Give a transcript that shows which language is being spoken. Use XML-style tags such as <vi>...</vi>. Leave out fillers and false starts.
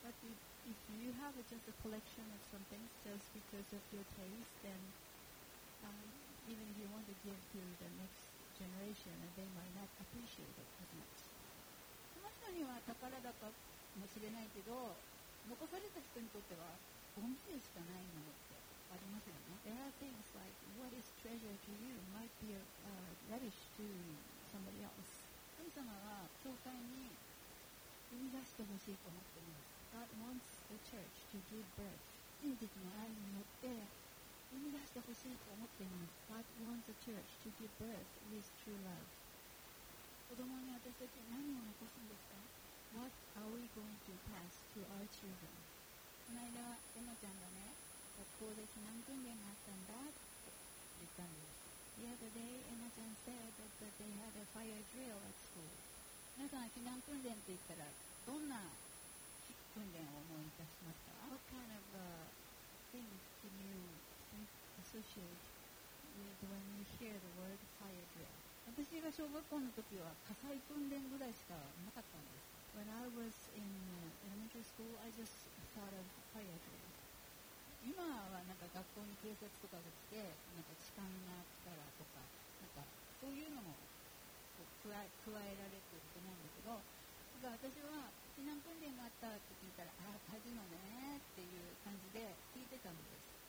<en>But if you have just a collection of something just because of your taste, then、even if you want to give to the next generation, they might not appreciate it as much.</en> <ja>その人には宝だかもしれないけど、残された人にとってはゴミでしかないものってありますよね。</ja> <en>There are things like what is treasure to you might be a rubbish to somebody else.</en> <ja>神様は教会に生み出してほしいと思っています。</ja> <en>God wants the church to give birth.</en> <ja>真実の愛によって生み出してほしいと思っています。</ja> <en>God wants the church to give birth with true love.</en> <ja>子供に私たち何を残すんですか？</ja> <en>What are we going to pass to our children?</en> <ja>この間、エマちゃんがね、学校で避難訓練があったんだって言ったんです。</ja> <en>The other day, Emma ちゃん said that they had a fire drill at school.</en> <ja>皆さん避難訓練って言ったらどんな訓練を思い出しますか？</ja> <en>What kind of things can you associate with when you hear the word fire drill?</en> <ja>私が小学校の時は火災訓練ぐらいしかなかったんです。</ja> <en>When I was in elementary school, I just thought of fire drill.</en> <ja>今はなんか学校に警察とかが来てなんか痴漢があったらとかなんかそういうのも加えられていると思うんだけど、私は避難訓練があったって聞いたら、ああ火事のねっていう感じで聞いてたんです。</ja>